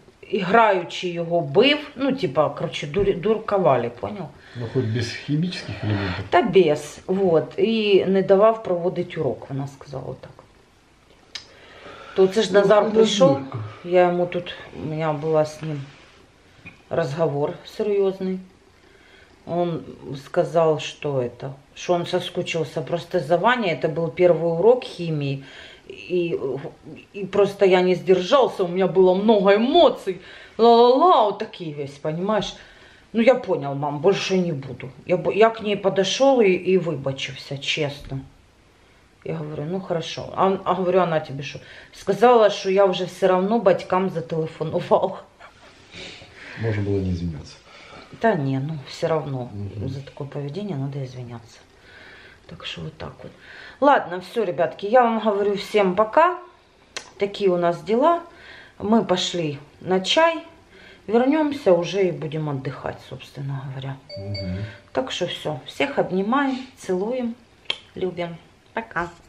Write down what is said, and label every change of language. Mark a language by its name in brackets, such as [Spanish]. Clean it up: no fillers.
[Ukrainian] Іграючи його бив, ну, типа, короче, дуркавали, понял? Ну, хоч без хімічних елементів. Та без, вот, і не давав проводити урок, вона сказала так. То це ж Назар прийшов, я йому тут, у мене була з ним розговор серйозний. [Russian] Он сказал, что это, что он соскучился просто за Ваней. Это был первый урок химии, и просто я не сдержался, у меня было много эмоций, ла-ла-ла, вот такие весь, понимаешь? Ну, я понял, мам, больше не буду. Я к ней подошел и выбачился, честно. Я говорю, ну, хорошо. А говорю, она тебе что? Сказала, что я уже все равно [Ukrainian] батькам зателефонувал. [Russian] Можно было не извиняться. [Ukrainian] Та ні, ну все равно за таке поведіння треба звинятися. Так що отак от. [Russian] Ладно, все, ребятки, я вам говорю всім пока. [Ukrainian] Такі у нас діла. Ми пішли на чай. Вернемося вже і будемо віддихати, [Russian] собственно говоря. [Ukrainian] Так що все, всіх обнімаємо, цілуємо, любимо. Пока.